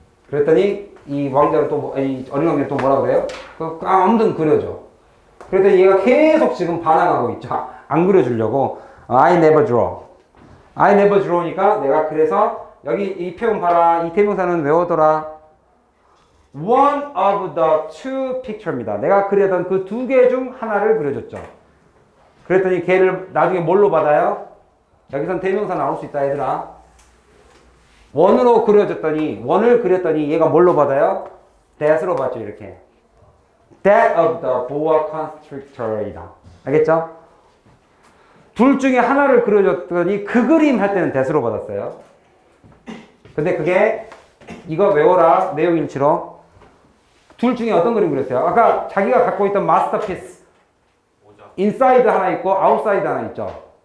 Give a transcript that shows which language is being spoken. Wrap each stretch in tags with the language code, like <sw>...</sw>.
<ko>그랬더니 이 왕자는 또 뭐, 어린 왕자는 또 뭐라고 그래요? 아무튼 그려줘. 그랬더니 얘가 계속 지금 반항하고 있죠. 안 그려주려고.</ko> <en>I never draw. I never draw</en> <ko>니까 내가 그래서 여기 이 표현 봐라. 이 대명사는 외워둬라.</ko> <en>One of the two picture입니다.</en> <ko>내가 그렸던 그 두 개 중 하나를 그려줬죠. 그랬더니 걔를 나중에 뭘로 받아요? 여기선 대명사 나올 수 있다 얘들아. 원으로 그려줬더니 원을 그렸더니 얘가 뭘로 받아요? that로 받죠. 이렇게</ko> <en>that of the boa constrictor이다.</en> <ko>알겠죠? 둘 중에 하나를 그려줬더니 그 그림 할 때는 that로 받았어요. 근데 그게 이거 외워라. 내용 일치로 둘 중에 어떤 그림 그렸어요? 아까 자기가 갖고 있던 마스터피스 인사이드 하나 있고 아웃사이드 하나 있죠.</ko>